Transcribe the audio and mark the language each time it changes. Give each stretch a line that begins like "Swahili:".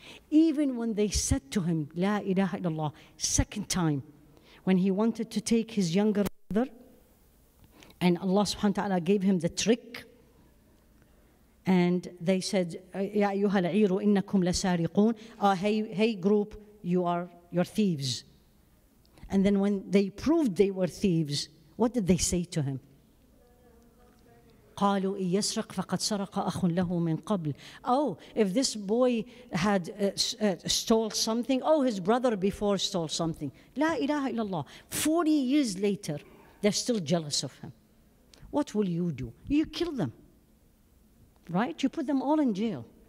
English: Even when they said to him,
Arabic: La ilaha illallah,
English: second time, when he wanted to take his younger brother, and Allah subhanahu wa ta'ala gave him the trick, and they said,
Arabic: Ya ayyuha al-'ayru innakum lasariqoon,
English: hey group, you're thieves. And then when they proved they were thieves, what did they say to him?
Arabic: قالوا إن يسرق فقد سرق أخ له من قبل.
English: Oh, if this boy had stole something, oh, his brother before stole something.
Arabic: لا إله إلا الله.
English: 40 years later, they're still jealous of him. What will you do? You kill them, right? You put them all in jail.